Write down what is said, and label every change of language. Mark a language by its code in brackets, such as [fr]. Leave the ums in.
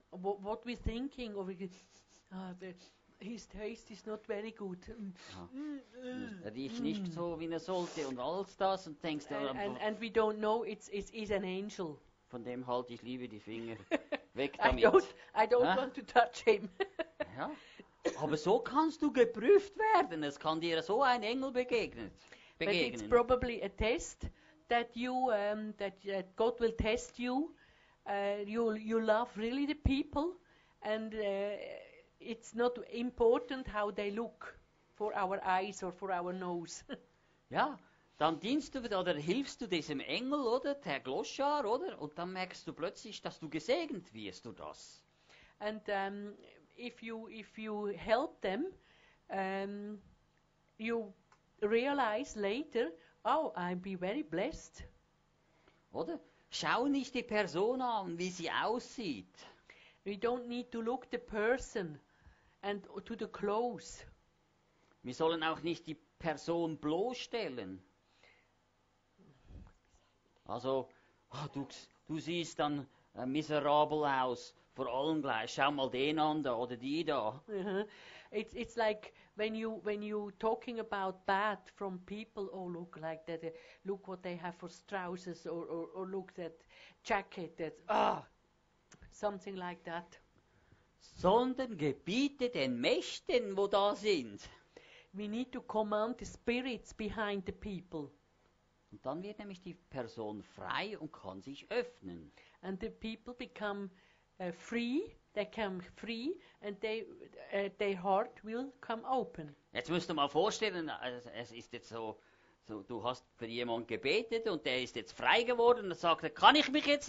[en] W what, thinking, we ah, thinking his taste is not very good. [de] Ja. Ah. Mm, mm Riecht nicht mm. so wie er sollte und all das und denkst and, uh, and, and [en] we don't know it's, it's, it's an angel [de] von dem halte ich lieber die Finger weg damit. [en] I don't, [de] I don't ah. to ja? Aber so kannst du geprüft werden. Es kann dir so ein Engel begegnet, begegnen. [en] But it's probably a test that you um, that, that God will test you. Uh, you you love really the people and uh, it's not important how they look for our eyes or for our nose. [de] ja, dann du, hilfst du diesem Engel, oder? Der Gloschar, oder? Und dann merkst du plötzlich, dass du gesegnet wirst du das. [en] And um, if, you, if you help them, um, you realize later, oh, I'll be very blessed. [de] Oder? Schau nicht die Person an, wie sie aussieht. [en] We don't need to look the person and to the clothes. [de] Wir sollen auch nicht die Person bloßstellen. [en] Also, it's, like when you when you talking about bad from people. Oh look like that. Uh, look what they have for Strausses or, or, or, look that jacket. That ah, something like that. [de] Sondern Gebiete den Mächten, wo da sind. [en] We need to command the spirits behind the people. [de] Und dann wird nämlich die Person frei und kann sich öffnen. Und die [en] people become uh, free. They come free and they, uh, their heart will come open. [de] Jetzt müsst ihr mal vorstellen, es ist jetzt so, so du hast für jemanden gebetet und der ist jetzt frei geworden und sagt, kann ich mich jetzt